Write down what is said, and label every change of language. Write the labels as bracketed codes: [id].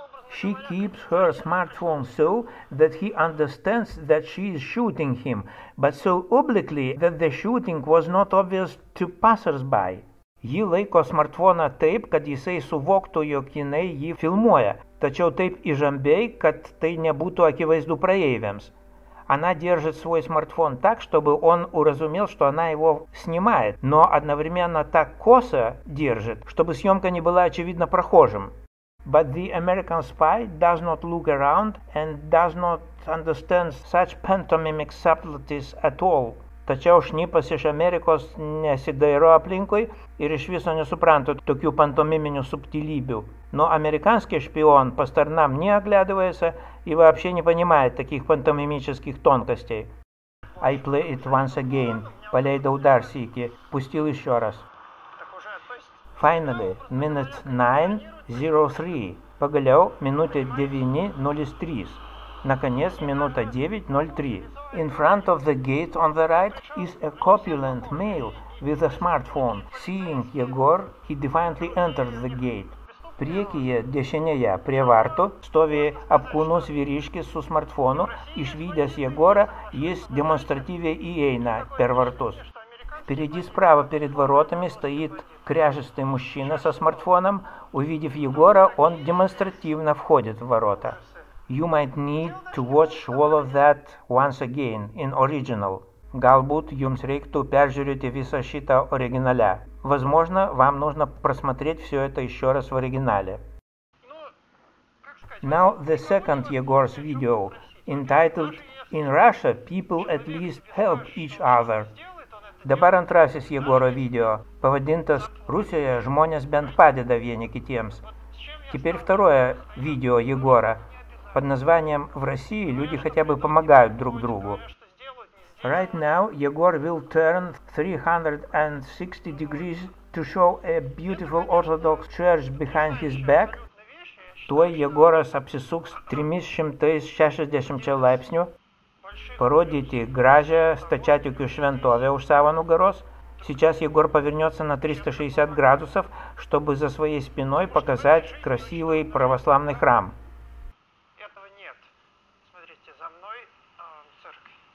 [en] She keeps her smartphone so that he understands that she is shooting him, but so obliquely that the shooting was not obvious to passers-by. [lt] Ji laiko smartfoną taip, kad jisai suvoktų, jog jinai jį filmuoja, tačiau taip įžambiai, kad tai nebūtų akivaizdu praeiviams. [ru] Она держит свой смартфон так, чтобы он уразумел, что она его снимает, но одновременно так косо держит, чтобы съемка не была очевидна прохожим. [en] But the American spy does not look around and does not understand such pantomimic subtleties at all. [lt] Tačiau šnipas iš Amerikos nesidairo aplinkui ir iš viso nesupranta tokių pantomiminių subtilybių. [ru] Но американский шпион по сторонам не оглядывается и вообще не понимает таких пантомимических тонкостей. [en] I play it once again. [lt] Paleidau dar sykį. [ru] Пустил еще раз. [en] Finally, minute 9:03. [lt] Pagaliau minutė 9:03. [ru] Наконец, минута 9:03. [en] In front of the gate on the right is a corpulent male with a smartphone. Seeing Егор, he defiantly enters the gate. [lt] Priekyje dešinėje prie vartų stovi apkūnus vyriškis su smartfonu. Išvydęs Jegorą, jis demonstratyviai įeina per vartus. [ru] Впереди справа перед воротами стоит кряжистый мужчина со смартфоном. Увидев Егора, он демонстративно входит в ворота. [en] You might need to watch all of that once again in original. [lt] Galbūt jums reiktų peržiūrėti visą šitą originale. [ru] Возможно, вам нужно просмотреть все это еще раз в оригинале. [en] Now the second Егор's video, entitled In Russia people at least help each other. [lt] Dabar antrasis Jegoro video, pavadintas Rusijoje žmonės bent padeda vieni kitiems. [ru] Теперь второе видео Егора под названием В России люди хотя бы помогают друг другу. [en] Right now, Егор will turn 360 degrees to show a beautiful Orthodox church behind his back. [lt] Tuoj Егоras apsisuks 360 laipsnių. Parodyti gražią stačiatikių šventovę už savo nugaros. [ru] Сейчас Егор повернется на 360 градусов, чтобы за своей спиной показать красивый православный храм. Этого нет. Смотрите, за мной церковь.